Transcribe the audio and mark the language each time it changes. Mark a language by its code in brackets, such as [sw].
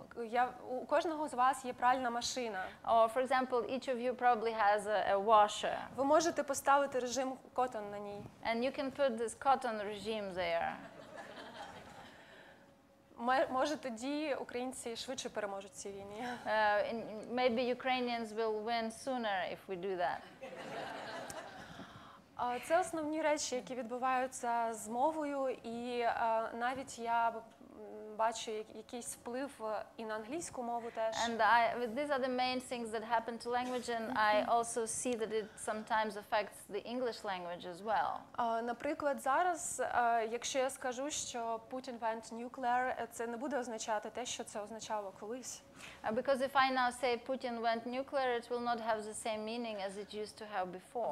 [uk] Я у кожного з вас є пральна машина. [en] Oh, for example, each of you probably has a washer. [uk] Ви можете поставити режим cotton на ній. [en] And you can put this cotton regime there. [uk] Може тоді українці швидше переможуть цій війні. [en] Maybe Ukrainians will win sooner if we do that. [uk] Це основні речі, які відбуваються з мовою, і навіть я бачу якийсь вплив і на англійську мову теж. [en] And these are the main things that happen to language, and I also see that it sometimes affects the English language as well. [uk] Наприклад, зараз, якщо я скажу, що [en] Putin went nuclear, [uk] це не буде означати те, що це означало колись. [en] Because if I now say Putin went nuclear, it will not have the same meaning as it used to have before.